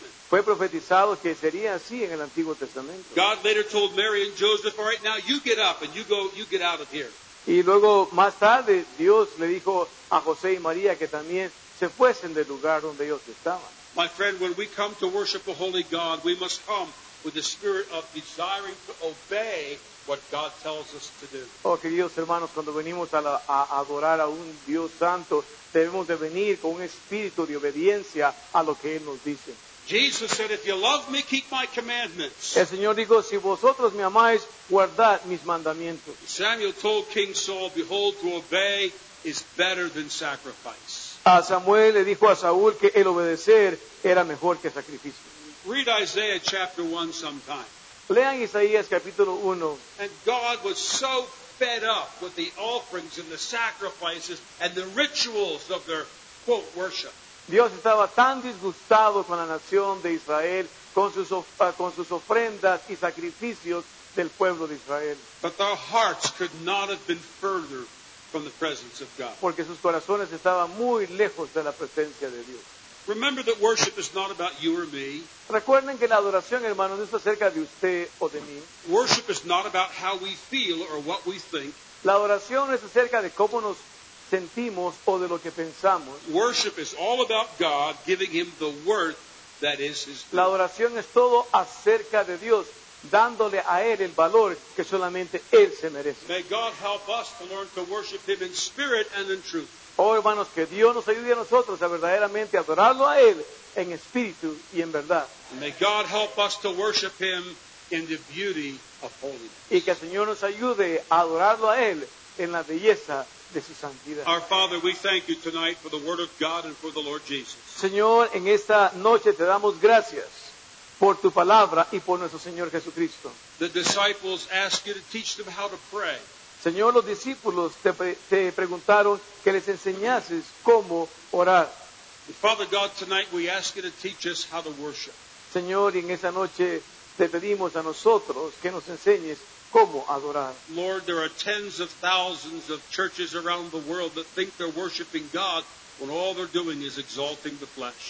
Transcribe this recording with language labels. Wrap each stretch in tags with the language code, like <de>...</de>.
<es>Fue profetizado que sería así en el Antiguo Testamento.</es> <en>God later told Mary and Joseph, "All right, now you get up and you get out of here."</en> <es>Y luego más tarde Dios le dijo a José y María que también se fuesen del lugar donde ellos estaban.</es> <en>My friend, when we come to worship a holy God, we must come with the spirit of desiring to obey what God tells us to do.</en> <es>Oh, queridos hermanos, cuando venimos a adorar a un Dios santo, debemos de venir con un espíritu de obediencia a lo que Él nos dice.</es> <en>Jesus said, "If you love me, keep my commandments."</en> <es>El Señor dijo, si vosotros me amáis, guardad mis mandamientos.</es> <en>Samuel told King Saul, "Behold, to obey is better than sacrifice."</en> <es>A Samuel le dijo a Saúl que el obedecer era mejor que sacrificio.</es> <en>Read Isaiah chapter 1 sometime.</en> <es>Lean Isaías capítulo 1.</es> <en>And God was so fed up with the offerings and the sacrifices and the rituals of their quote worship.</en> <es>Dios estaba tan disgustado con la nación de Israel, con sus ofrendas y sacrificios del pueblo de Israel.</es> <en>But their hearts could not have been further from the presence of God.</en> <es>Porque sus corazones estaban muy lejos de la presencia de Dios.</es> <en>Remember that worship is not about you or me.</en> <es>Recuerden que la adoración, hermanos, no es acerca de usted o de mí.</es> <en>Worship is not about how we feel or what we think.</en> <es>La adoración es acerca de cómo nos sentimos o de lo que pensamos.</es> <en>Worship is all about God giving him the worth that is his glory.</en> <es>La adoración es todo acerca de Dios dándole a Él el valor que solamente Él se merece.</es> <en>May God help us to learn to worship Him in spirit and in truth.</en> <es>Oh, hermanos, que Dios nos ayude a nosotros a verdaderamente adorarlo a Él en espíritu y en verdad.</es> <en>May God help us to worship Him in the beauty of holiness.</en> <es>Y que el Señor nos ayude a adorarlo a Él en la belleza de su santidad.</es> <en>Our Father, we thank you tonight for the Word of God and for the Lord Jesus.</en> <es>Señor, en esta noche te damos gracias por tu palabra y por nuestro Señor Jesucristo.</es> <en>The disciples asked you to teach them how to pray.</en> <es>Señor, los discípulos te preguntaron que les enseñases cómo orar.</es> <en>Father God, tonight we ask you to teach us how to worship.</en> <es>Señor, y en esa noche te pedimos a nosotros que nos enseñes cómo adorar.</es> <en>Lord, there are tens of thousands of churches around the world that think they're worshiping God when all they're doing is exalting the flesh.</en>